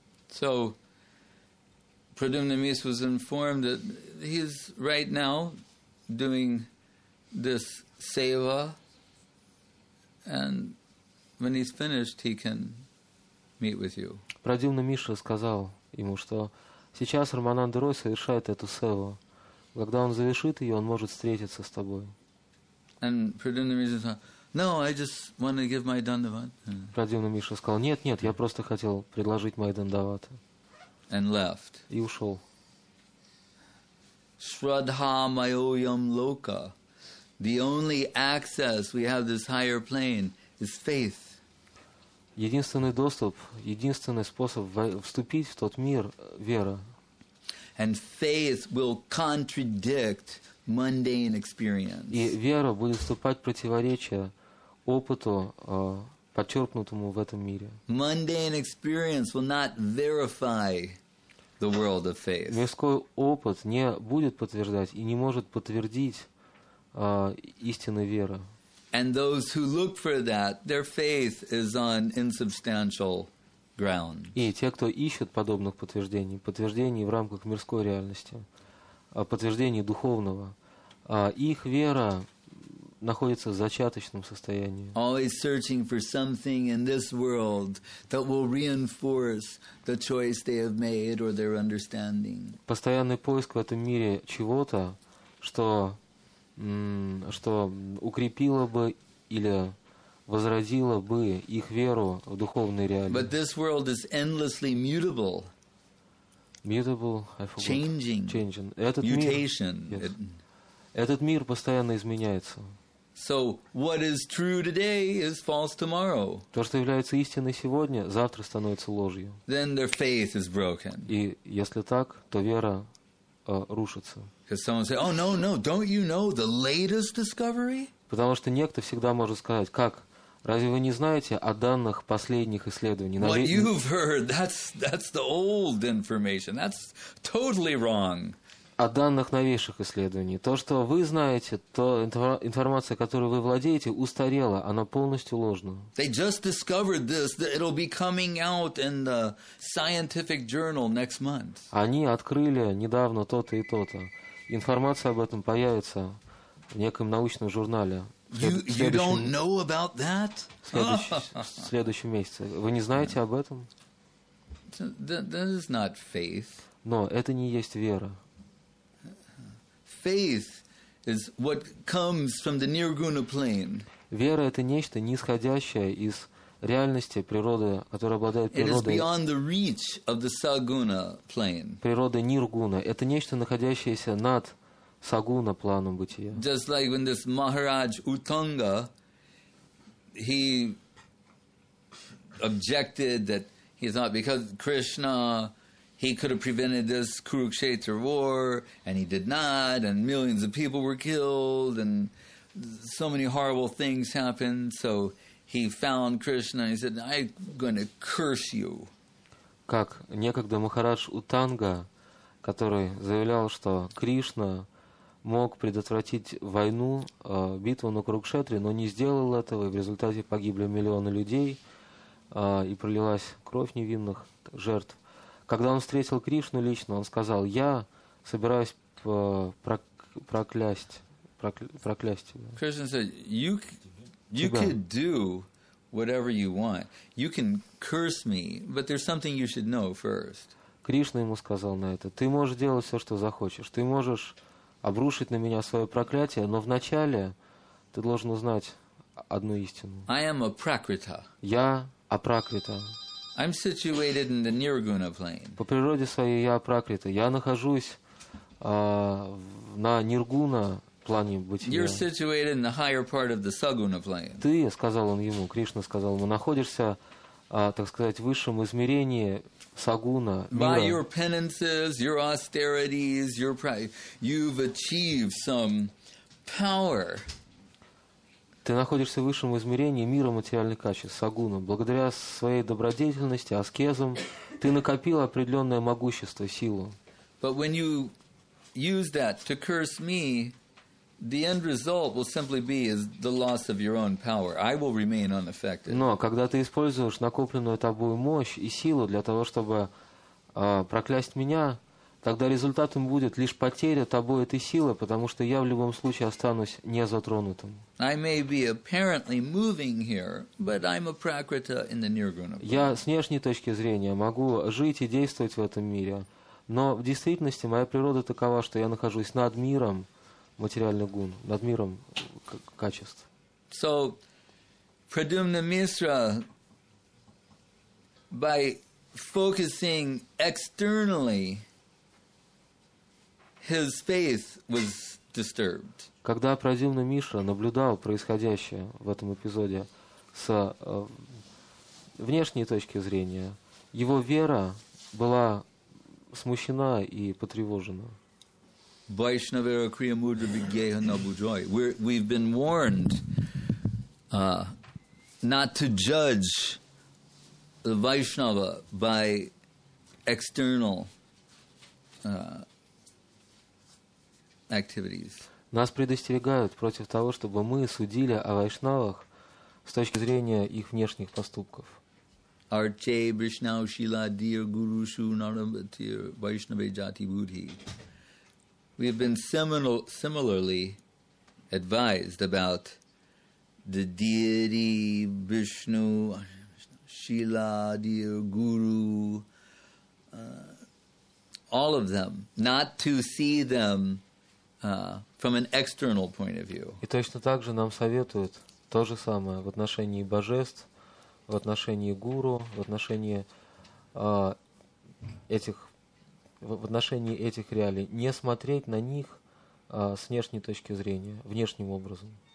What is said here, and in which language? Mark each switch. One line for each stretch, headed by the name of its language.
English: So, Pradyumna Mis was informed that he's right now doing this seva, and when he's finished, he can meet with you.
Russian: Pradyumna Mishra сказал ему, что сейчас Рамананда Рой совершает эту севу. Когда он завершит ее, он может встретиться с тобой.
English: And Pradyumna Mishra said, no, I just want to give my dandavat.
Russian: Pradyumna Mishra сказал, нет, нет, я просто хотел предложить мой дандават.
English: And left.
Russian: И ушел.
Sanskrit: Shraddha mayoyam loka.
English: The only access we have this higher plane is faith.
Russian: Единственный доступ, единственный способ вступить в тот мир – вера.
English: And faith will contradict mundane experience.
Russian: И вера будет вступать в противоречие опыту, подчеркнутому в этом мире.
English: Mundane experience will not verify the world of faith.
Russian: Мирской опыт не будет подтверждать и не может подтвердить истинной веры.
English: And those who look for that, their faith is on insubstantial ground.
Russian: И те, кто ищет подобных подтверждений, подтверждений в рамках мирской реальности, подтверждений духовного, их вера находится в зачаточном состоянии.
English: Always searching for something in this world that will reinforce the choice they have made or their understanding.
Russian: Постоянный поиск в этом мире чего-то, что что укрепило бы или возродило бы их веру в духовной реальности.
English: But this world is endlessly mutable. Mutable, I forgot. Changing. Changing.
Russian: Этот Mutation. Мир, yes. Этот мир постоянно изменяется.
English: So what is true today is false tomorrow.
Russian: То, что является истиной сегодня, завтра становится ложью.
English: Then their faith is broken.
Russian: И если так, то вера рушится.
English: Because someone says, "Oh no, no! Don't you know the latest discovery?"
Russian: Потому что некто всегда может сказать, как разве вы не знаете о данных последних исследований?
English: What you've heard, that's the old information. That's totally wrong.
Russian: О данных новейших исследований. То, что вы знаете, то информация, которую вы владеете, устарела, она полностью ложна.
English: They just discovered this, that it'll be coming out in the scientific journal next month.
Russian: Они открыли недавно то-то и то-то. Информация об этом появится в неком научном журнале.
English: You don't know about that?
Russian: В следующем месяце. Вы не знаете об этом?
English: That is not faith.
Russian: Но это не есть вера.
English: Faith is what comes from the nirguna plane.
Russian: Вера это нечто нисходящее из реальности природы, которая обладает природой.
English: It is beyond the reach of the saguna plane.
Russian: Природа ниргуна это нечто находящееся над сагуна планом бытия.
English: Just like when this Maharaj Uttanga, he objected that he thought because Krishna. He could have prevented this Kurukshetra war, and he did not, and millions of people were killed, and so many horrible things happened. So he found Krishna, and he said, I'm going to curse you.
Russian: Как некогда Махарадж Утанга, который заявлял, что Кришна мог предотвратить войну, битву на Курукшетре, но не сделал этого, и в результате погибли миллионы людей, и пролилась кровь невинных жертв. Когда он встретил Кришну лично, он сказал, я собираюсь проклясть тебя.
English: Krishna said, you could do whatever you want. You can curse me, but there's something you should know first.
Russian: Кришна ему сказал на это, ты можешь делать все, что захочешь. Ты можешь обрушить на меня свое проклятие, но вначале ты должен узнать одну истину.
English: I am a prakrita.
Russian: Я апракрита.
English: I'm situated in the nirguna plane.
Russian: По природе своей я апракрита. Я нахожусь на ниргуна плане бытия.
English: You're situated in the higher part of the saguna plane.
Russian: Ты, сказал он ему, Кришна сказал ему, находишься так сказать, высшем измерении сагуна.
English: By your penances, your austerities, your pride, you've achieved some power.
Russian: Ты находишься в высшем измерении мира материальных качеств, сагуна. Благодаря своей добродетельности, аскезам, ты накопил определенное могущество, силу.
English: But when you use that to curse me, the end result will simply be is the loss of your own power. I will remain unaffected.
Russian: Но когда ты используешь накопленную тобой мощь и силу для того, чтобы проклясть меня, тогда результатом будет лишь потеря тобой этой силы, потому что я в любом случае останусь незатронутым.
English: I may be apparently moving here, but I'm a prakriti in the nirguna.
Russian: Я с внешней точки зрения могу жить и действовать в этом мире, но в действительности моя природа такова, что я нахожусь над миром материальных гун, над миром качеств.
English: So, Pradyumna Mishra, by focusing externally, his faith was disturbed.
Russian: Когда Pradyumna Mishra наблюдал происходящее в этом эпизоде с внешней точки зрения, его вера была смущена и потревожена.
Bangla: Vaishnavara kriya mudra vigeha nabujoy.
English: We've been warned not to judge the Vaishnava by external activities.
Russian: Нас предостерегают против того, чтобы мы судили о Вайшнавах с точки зрения их внешних поступков.
Sanskrit: Arche Vrishnav Shila Dir Guru Shu Narabatir Vaishnava Jati Budhi.
English: We have been similarly advised about the deity Vishnu, Shila, dear Guru, all of them, not to see them from an external point of view.
Russian: И точно так же нам советуют то же самое в отношении божеств, в отношении гуру, в отношении этих. В отношении этих реалий не смотреть на них с внешней точки зрения, внешним образом.